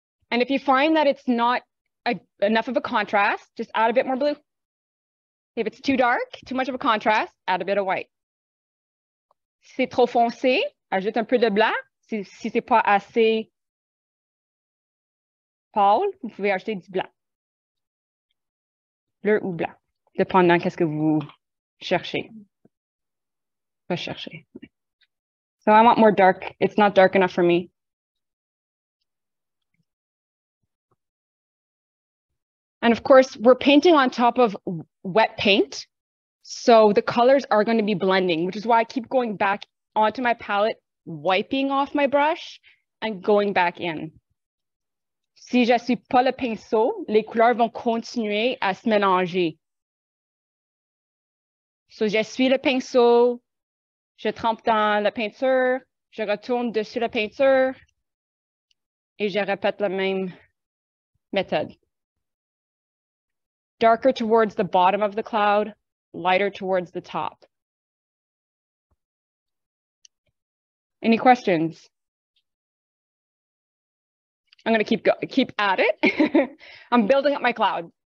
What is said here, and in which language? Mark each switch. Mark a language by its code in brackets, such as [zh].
[en] And if you find that it's not enough of a contrast, just add a bit more blue. If it's too dark, too much of a contrast, add a bit of white. [fr] Si c'est trop foncé, ajoute un peu de blanc. Si, si c'est pas assez pâle, vous pouvez ajouter du blanc. Bleu ou blanc, dépendant qu'est-ce que vous cherchez. Pas chercher. [en] So I want more dark. It's not dark enough for me. And of course, we're painting on top of wet paint. So the colors are going to be blending, which is why I keep going back onto my palette, wiping off my brush and going back in. [fr] Si je suis pas le pinceau, les couleurs vont continuer à se mélanger. So je suis le pinceau, je trempe dans la peinture, je retourne dessus la peinture et je répète la même méthode. [en] Darker towards the bottom of the cloud, lighter towards the top. Any questions? I'm gonna keep at it. I'm building up my cloud.